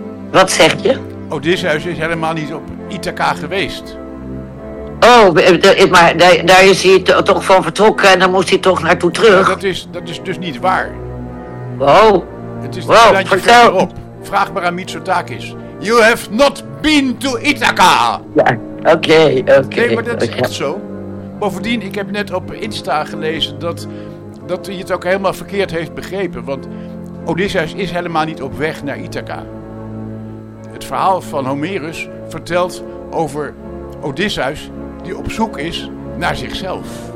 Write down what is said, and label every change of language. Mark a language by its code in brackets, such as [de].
[nl] Wat zeg je? Odysseus is helemaal niet op Ithaca geweest. Oh, maar daar is hij toch van vertrokken en dan moest hij toch naartoe terug. Ja, dat is dus niet waar. Wow. Het is een landje verderop. Vraag maar aan Mitsotakis. [en] You have not been to Ithaca. [nl] Ja, oké. Nee, maar dat is echt zo. Bovendien, ik heb net op Insta gelezen dat hij het ook helemaal verkeerd heeft begrepen. Want Odysseus is helemaal niet op weg naar Ithaca. Het verhaal van Homerus vertelt over Odysseus die op zoek is naar zichzelf.